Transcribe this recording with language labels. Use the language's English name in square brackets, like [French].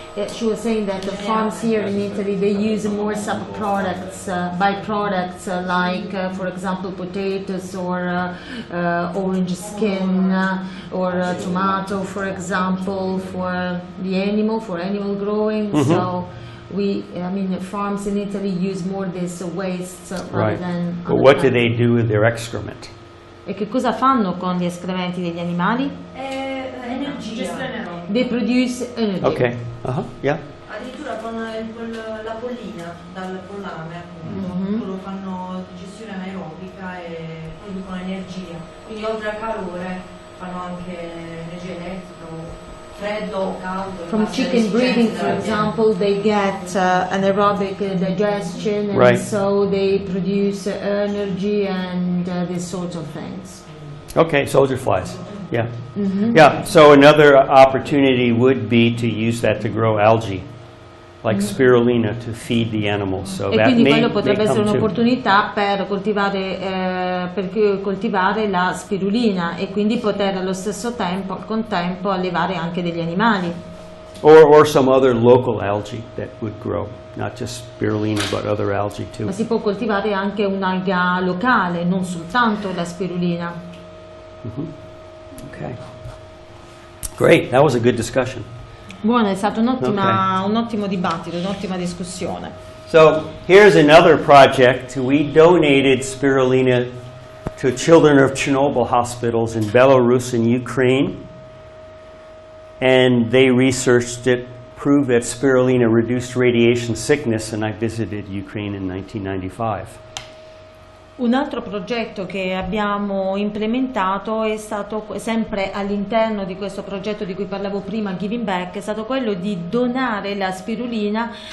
[English] She was saying that the farms here in Italy, they use more sub-products, by-products, like, for example, potatoes or orange skin or tomato, for example, for animal growing. Mm-hmm. So the farms in Italy use more this waste rather than... But what do they do with their excrement? [Italian] E che cosa fanno con gli escrementi degli animali? Energia. [English] They produce energy. Okay. Uh-huh. Yeah. [Italian] Addirittura con la pollina dal pollame, loro fanno digestione anaerobica e producono energia. Quindi oltre al calore fanno anche energia elettrica. [English] From chicken breeding, for example, they get anaerobic digestion, and right. So they produce energy and these sorts of things. Okay, soldier flies. Yeah. Mm-hmm. Yeah, so another opportunity would be to use that to grow algae, like spirulina, to feed the animals. So [Italian] e [English] that [Italian] quindi [English] may, [Italian] quello potrebbe essere un'opportunità [English] too. [Italian] per coltivare la spirulina e quindi poter allo stesso tempo, al contempo, allevare anche degli animali. [English] Or some other local algae that would grow, not just spirulina, but other algae too. [Italian] Ma si può coltivare anche un'alga locale, non soltanto la spirulina. [English] Mm-hmm. Okay. Great, that was a good discussion. [Italian] Buono, è stato un ottimo dibattito, un'ottima discussione. [English] So, here's another project. We donated spirulina to children of Chernobyl hospitals in Belarus and Ukraine. And they researched it, proved that spirulina reduced radiation sickness, and I visited Ukraine in 1995. [Italian] Un altro progetto che abbiamo implementato è stato, sempre all'interno di questo progetto di cui parlavo prima, Giving Back, è stato quello di donare la spirulina